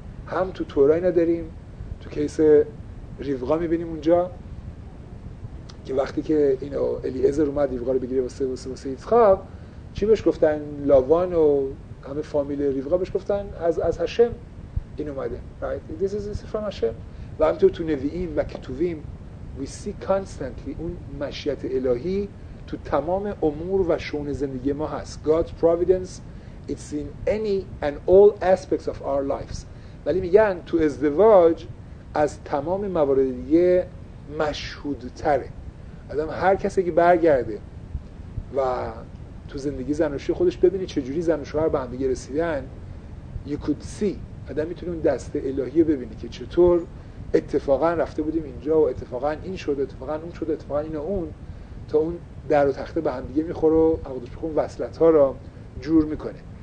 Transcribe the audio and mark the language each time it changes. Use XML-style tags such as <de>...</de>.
<fa>هم تو تورا اینا داریم، تو کیس ریوغا میبینیم اونجا که وقتی که اینو الیعزر اومد ریوغا رو بگیره واسه ایتخاب چی بهش گفتن؟ لاوان و همه فامیل ریوغا بهش گفتن از حشم این اومده right?</fa> <en>This is this from حشم.</en> <fa>و همینطور تو نویم و کتوبیم</fa> <en>we see constantly</en> <fa>اون مشیت الهی تو تمام امور و شؤون زندگی ما هست.</fa> <en>God's providence it's in any and all aspects of our lives.</en> <fa>ولی میگن تو ازدواج از تمام موارد دیگه مشهودتره. آدم هر کسی که برگرده و تو زندگی زناشویی خودش ببینه چجوری زن و شوهر به هم دیگه رسیدن</fa> <en>you could see.</en> <fa>آدم میتونه اون دست الهی رو ببینه که چطور اتفاقا رفته بودیم اینجا و اتفاقا این شد اتفاقا اون شد اتفاقا این و اون تا اون در و تخته به هم دیگه میخوره و عقدش بخون وصلت ها را جور میکنه.</fa>